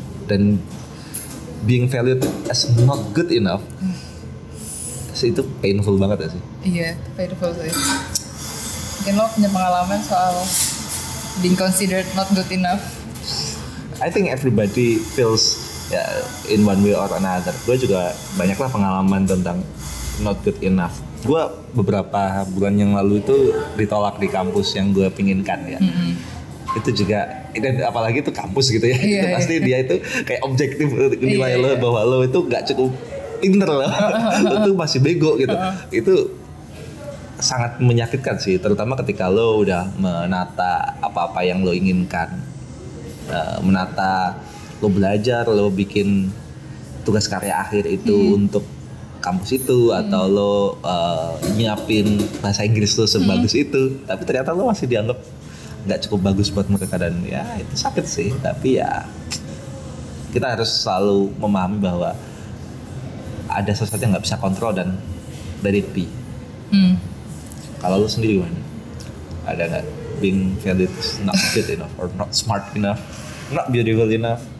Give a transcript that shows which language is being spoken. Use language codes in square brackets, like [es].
[id] Dan [en] being valued as not good enough, [id] itu [en] painful [id] banget ya sih? Iya, painful sih. Mungkin lo punya pengalaman soal [en] being considered not good enough. I think everybody feels in one way or another. [id] Gue juga banyaklah pengalaman tentang [en] not good enough. [id] Gue beberapa bulan yang lalu itu ditolak di kampus yang gue pinginkan ya. Itu juga, dan apalagi itu kampus gitu ya. Itu pasti dia itu kayak objektif nilai lo, bahwa lo itu gak cukup pinter lah, itu masih bego gitu. Itu sangat menyakitkan sih, terutama ketika lo udah menata apa-apa yang lo inginkan, menata lo belajar, lo bikin tugas karya akhir itu untuk kampus itu, atau lo nyiapin bahasa Inggris lo sebagus itu, tapi ternyata lo masih dianggap nggak cukup bagus buat mereka, dan ya itu sakit sih. Tapi ya kita harus selalu memahami bahwa ada sesuatu yang gak bisa kontrol dan [en] let it be. [id] Kalau lu sendiri gimana? Ada gak [en] being valid is not good enough or not smart enough, not beautiful enough?